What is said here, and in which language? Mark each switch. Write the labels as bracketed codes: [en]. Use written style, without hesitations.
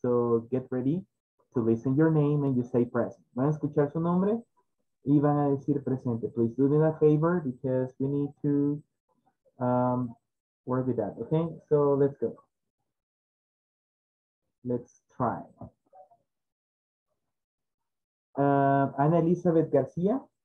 [en] So get ready to listen your name and you say present. [es] Van a escuchar su nombre y van a decir presente. [en] Please do me that favor because we need to... Work with that, okay? So let's go. Let's try. Ana Elizabeth García.